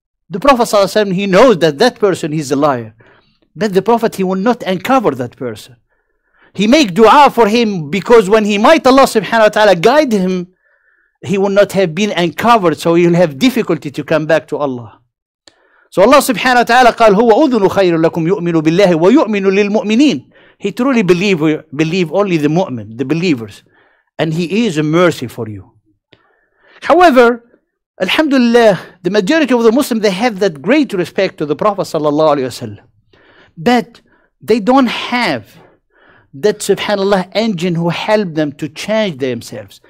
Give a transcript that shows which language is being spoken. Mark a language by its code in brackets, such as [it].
[en] The Prophet ﷺ, he knows that that person is a liar. But the Prophet, he will not uncover that person. He make dua for him, because when he might Allah subhanahu wa ta'ala guide him, he will not have been uncovered, so he will have difficulty to come back to Allah. [ar] So Allah subhanahu wa ta'ala قال هو أذن خير لكم يؤمن بالله ويؤمن للمؤمنين. [en] He truly believe only the mu'min, the believers, and he is a mercy for you. However, alhamdulillah, the majority of the Muslims, they have that great respect to the Prophet sallallahu alaihi wasallam, but they don't have that subhanallah engine who help them to change themselves.